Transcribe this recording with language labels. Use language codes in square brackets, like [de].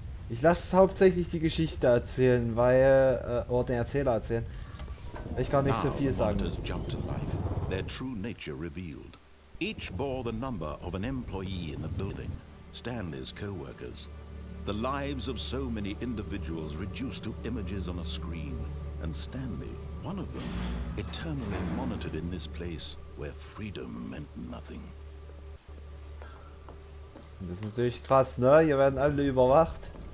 [de] Ich lasse hauptsächlich die Geschichte erzählen, weil den Erzähler erzählen. Ich kann nicht so viel sagen. [en] The monitors jumped to life, their true nature revealed. Each bore the number of an employee in the building, Stanley's co-workers. The lives of so many individuals reduced to images on a screen, and Stanley, one of them, eternally monitored in this place where freedom meant nothing. [de] Das ist natürlich krass, ne? Hier werden alle überwacht.